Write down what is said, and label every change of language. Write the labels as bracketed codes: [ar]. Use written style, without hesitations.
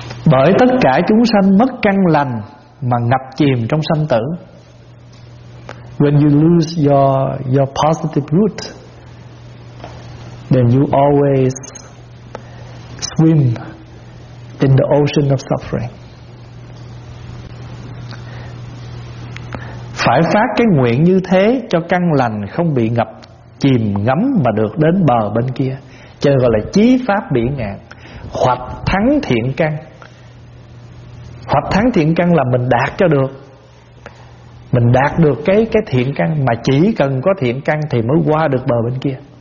[vi] Bởi tất cả chúng sanh mất căn lành mà ngập chìm trong sanh tử. [en] When you lose your positive root, then you always swim in the ocean of suffering. [vi] Phải phát cái nguyện như thế cho căn lành không bị ngập chìm ngấm mà được đến bờ bên kia. Cho nên gọi là chí pháp biển ngạn, hoặc thắng thiện căn. Hoặc thắng thiện căn là mình đạt cho được, mình đạt được cái thiện căn, mà chỉ cần có thiện căn thì mới qua được bờ bên kia.